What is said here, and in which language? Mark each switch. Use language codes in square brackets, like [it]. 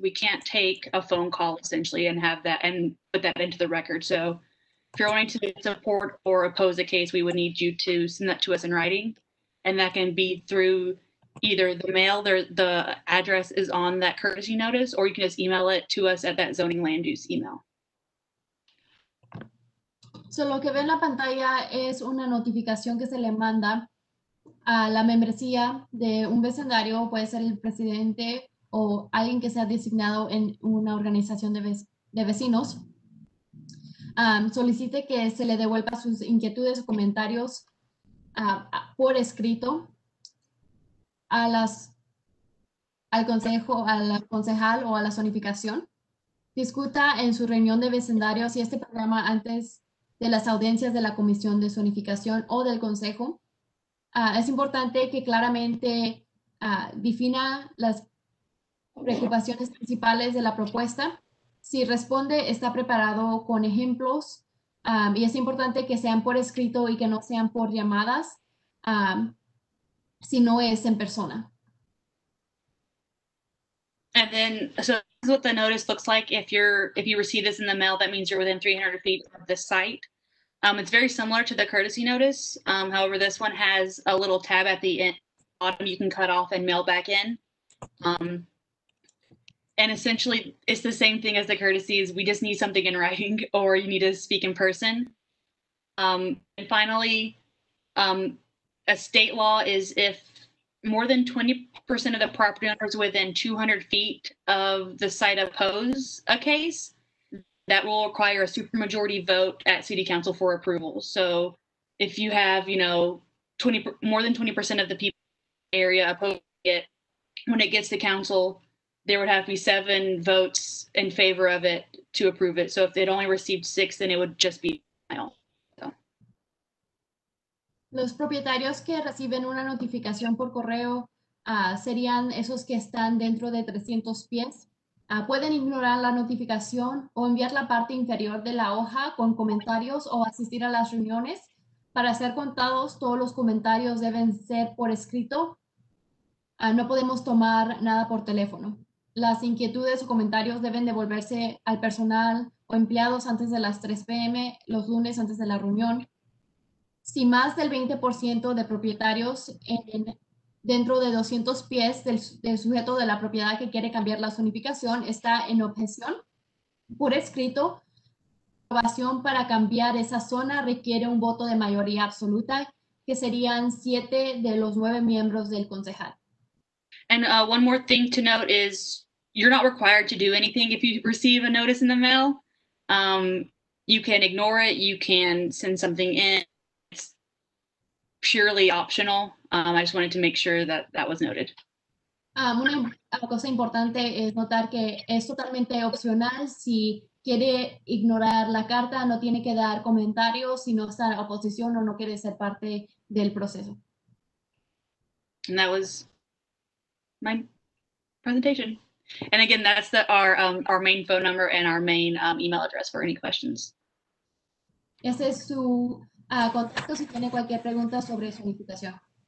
[en] We can't take a phone call essentially and have that and put that into the record. So if you're wanting to support or oppose a case, we would need you to send that to us in writing. And that can be through either the mail, the address is on that courtesy notice, or you can just email it to us at that zoning land use email. [es] So lo que ve en la pantalla es una notificación que se le manda a la membresía de un vecindario, puede ser el presidente o alguien que sea designado en una organización de vecinos. Solicite que se le devuelva sus inquietudes o comentarios por escrito al concejal o a la zonificación. Discuta en su reunión de vecindarios y este programa antes de las audiencias de la Comisión de Zonificación o del Consejo. Es importante que claramente defina las preocupaciones principales de la propuesta. Si responde, está preparado con ejemplos y es importante que sean por escrito y que no sean por llamadas, si no es en persona. [en] And then, so this is what the notice looks like. If you're, if you receive this in the mail, that means you're within 300 feet of the site. It's very similar to the courtesy notice. However, this one has a little tab at the end, bottom you can cut off and mail back in. And essentially, it's the same thing as the courtesies. We just need something in writing, or you need to speak in person. And finally, a state law is if more than 20% of the property owners within 200 feet of the site oppose a case, that will require a supermajority vote at city council for approval. So if you have, you know, more than 20% of the people in the area oppose it, when it gets to council, there would have to be 7 votes in favor of it to approve it. So if it only received 6, then it would just be denial. [es] Los propietarios que reciben una notificación por correo serían esos que están dentro de 300 pies. Pueden ignorar la notificación o enviar la parte inferior de la hoja con comentarios o asistir a las reuniones. Para ser contados, todos los comentarios deben ser por escrito. No podemos tomar nada por teléfono. Las inquietudes o comentarios deben devolverse al personal o empleados antes de las 3 p.m. los lunes antes de la reunión. Si más del 20% de propietarios dentro de 200 pies del sujeto de la propiedad que quiere cambiar la zonificación está en objeción, por escrito, aprobación para cambiar esa zona requiere un voto de mayoría absoluta, que serían 7 de los 9 miembros del concejal. [en] And one more thing to note is you're not required to do anything if you receive a notice in the mail. You can ignore it, you can send something in. Purely optional. I just wanted to make sure that was noted. [es] Una cosa importante es notar que es totalmente opcional. Si quiere ignorar la carta, no tiene que dar comentarios, si no está en oposición o no quiere ser parte del proceso. [en] And that was my presentation. And again, that's our main phone number and our main email address for any questions. [es] Ese es su contacto si tiene cualquier pregunta sobre zonificación.